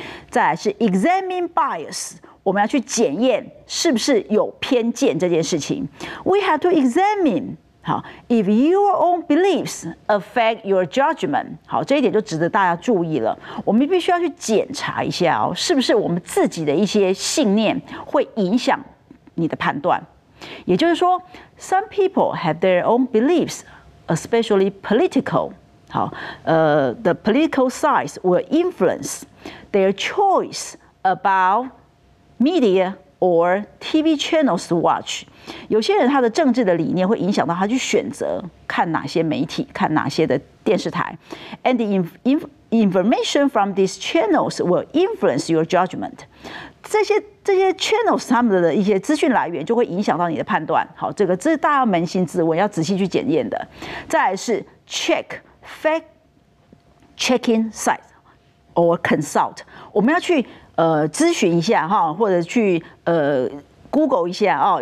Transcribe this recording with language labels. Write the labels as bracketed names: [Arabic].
[Chinese] 再来是 [English] examine bias， [Chinese] 我们要去检验是不是有偏见这件事情。 [English] We have to examine， 好 ，if your own beliefs affect your judgment， 好，这一点就值得大家注意了。 [Chinese] 我们必须要去检查一下哦，是不是我们自己的一些信念会影响你的判断。也就是说 [English] ，some people have their own beliefs， especially political。好，the political sides will influence their choice about media or TV channels to watch. [Chinese] 有些人他的政治的理念会影响到他去选择看哪些媒体，看哪些的电视台。 [English] And the information from these channels will influence your judgment. [Chinese] 这些 channels 他们的一些资讯来源就会影响到你的判断。好，这个这是大家扪心自问要仔细去检验的。再来是 check。 [English] Fact checking site or consult， [Chinese] 我们要去咨询一下哈，或者去Google 一下哦。